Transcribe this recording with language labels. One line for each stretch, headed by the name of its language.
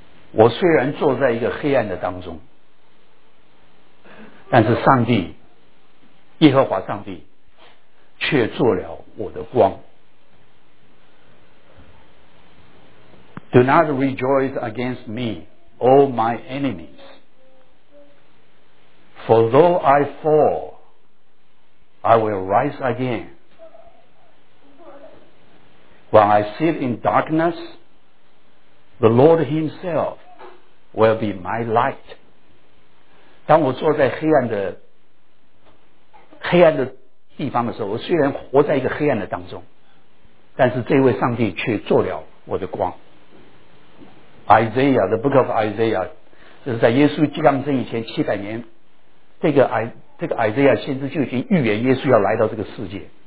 Chinese: 我虽然坐在一个黑暗的当中，但是上帝，耶和华上帝，却做了我的光。
English: Do not rejoice against me, O my enemies. For though I fall, I will rise again. When I sit in darkness, the Lord Himself will be my light.
Chinese: 当我坐在黑暗的地方的时候，我虽然活在一个黑暗的当中，但是这位上帝却做了我的光。 Isaiah,
English: the book of Isaiah，
Chinese: 就是在耶稣降生以前700年，这个 Isaiah 先知就已经预言耶稣要来到这个世界。